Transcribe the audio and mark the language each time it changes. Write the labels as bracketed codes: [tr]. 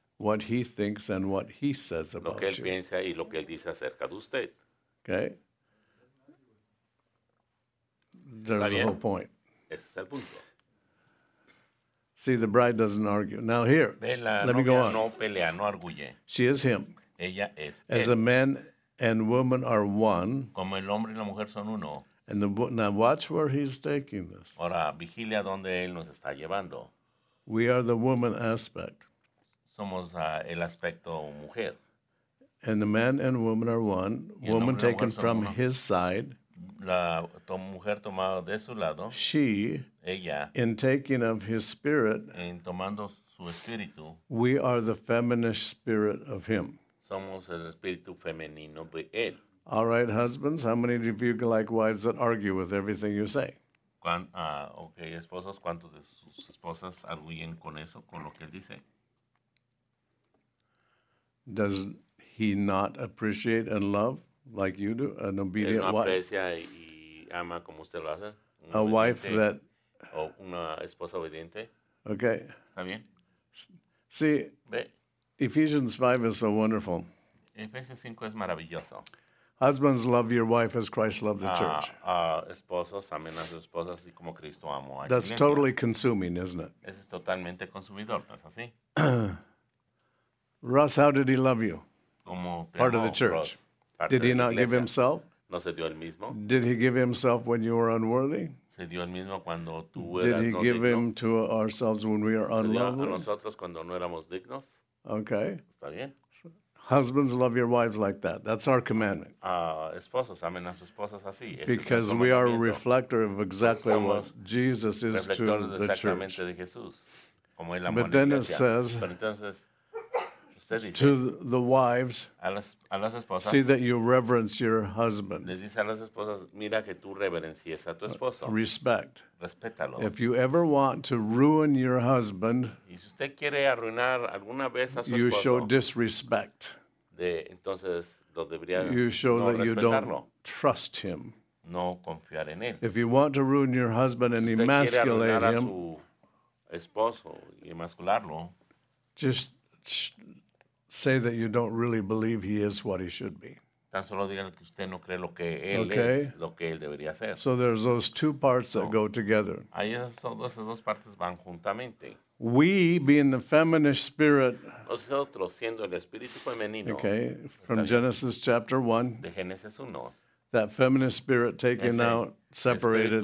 [en] What he thinks and what he says about [es] lo que él [en] you. [es] Piensa y lo que él dice acerca de usted. [en] Okay. There's the whole point. [es] Ese es el punto. [en] See, the bride doesn't argue. Now here, [es] la [en] let me go on. [es] No pelea, no arguye. [en] She is him. [es] Ella es [en] as [es] él. [en] A man and woman are one. [es] Como el hombre y la mujer son uno. [en] And the, now watch where he's taking this. [es] Ahora, vigila donde él nos está llevando. [en] We are the woman aspect. [es] Somos el aspecto mujer. [en] And the man and woman are one. Woman taken from his side. [es] La mujer tomada de su lado. [en] She. [es] Ella. [en] In taking of his spirit. [es] En tomando su espíritu. [en] We are the feminine spirit of him. [es] Somos el espíritu femenino de él. [en] All right, husbands. How many of you like wives that argue with everything you say? [es] Okay, esposos. ¿Cuántos de sus esposas arguyen con eso, con lo que él dice? [en] Does he not appreciate and love like you do, an obedient [es] él no [en] wife? [es] Aprecia y ama como usted lo hace. [en] A wife that. [es] O una esposa obediente. [en] Okay. [es] Está bien. [en] See. [es] Ve. [en] Ephesians 5 is so wonderful. [es] Ephesians 5 es maravilloso. [en] Husbands, love your wife as Christ loved the church. [es] Esposos, amen a sus esposas y como Cristo amó a la iglesia. [en] That's totally consuming, isn't it? [es] Es totalmente consumidor, ¿no es así? [en] Russ, how did he love you? [es] Como [en] part of the church. Ross, did he not give himself? [es] ¿No se dio el mismo? [en] Did he give himself when you were unworthy? [es] Se dio el mismo cuando tú eras [en] did he [es] no [en] give [es] digno? [en] Him to ourselves when we are unlovely? [es] Se dio a nosotros cuando no éramos dignos. [en] Okay. [es] Está bien. [en] Husbands, love your wives like that. That's our commandment. [es] Esposos, amen a sus esposas así. [en] Because we are a reflector of exactly what Jesus is to the church. [es] De Jesús, como él [en] but then it says, [es] entonces, usted dice, [en] to the wives, [es] a las esposas, [en] see that you reverence your husband. [es] Les dice a las esposas, mira que tú reverencies a tu esposo. [en] Respect. [es] Respétalo. [en] If you ever want to ruin your husband, [es] y si usted quiere arruinar alguna vez a su [en] you [es] esposo, [en] show disrespect. [es] De, entonces, lo debería [en] you show [es] no [en] that [es] respetarlo. [en] You don't trust him. [es] No confiar en él. [en] If you want to ruin your husband [es] si [en] and emasculate him, [es] a su esposo y emascularlo, [en] just say that you don't really believe he is what he should be. [es] Tan solo digan que usted no cree lo que él okay. es, lo que él debería ser. [en] So there's those two parts that go together. [es] Ahí esas dos partes van juntamente. [en] We, being the feminine spirit, [es] nosotros siendo el espíritu femenino, [en] okay, from Genesis chapter 1, [es] de Génesis 1, [en] that feminine spirit taken out, separated.